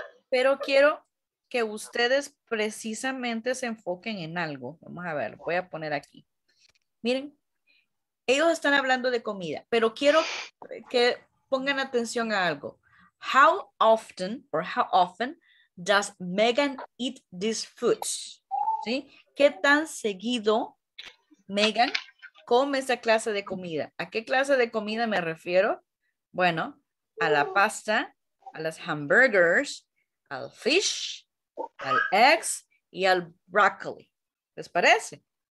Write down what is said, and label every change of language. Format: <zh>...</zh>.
<es>Pero quiero que ustedes precisamente se enfoquen en algo. Vamos a ver, voy a poner aquí. Miren, ellos están hablando de comida, pero quiero que pongan atención a algo.</es> <en>How often or how often does Megan eat these foods?</en> <es>¿Sí? ¿Qué tan seguido Megan come esa clase de comida? ¿A qué clase de comida me refiero? Bueno, a la pasta, a las hamburgers, al fish, al eggs y al broccoli. ¿Les parece?</es>